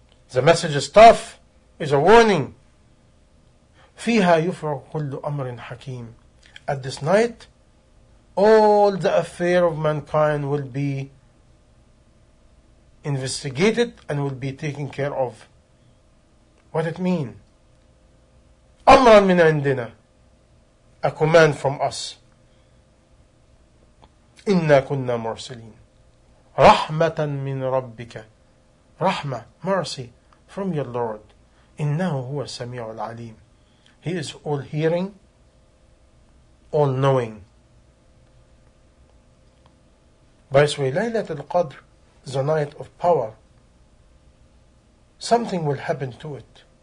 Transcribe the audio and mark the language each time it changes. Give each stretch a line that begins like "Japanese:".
English: The message is tough, is a warning.
Arabic: فِيهَا يُفْرَغُ كُلُّ أَمْرٍ حَكِيمٍ
English: At this night, all the affair of mankind will be investigated and will be taken care of. What it mean?
Arabic: أَمْرًا مِنْ عِنْدِنَا
English: A command from us.
Arabic: إِنَّا كُنَّا مُرْسِلِينَ رَحْمَةً مِنْ رَبِّكَ رَحْمَةً
English: Mercy from your Lord.
Arabic: إِنَّهُ هُوَ السَّمِيعُ الْعَلِيمُ
English: He is all hearing, all knowing. By the way, Laylatul Qadr is a night of power. Something will happen to it.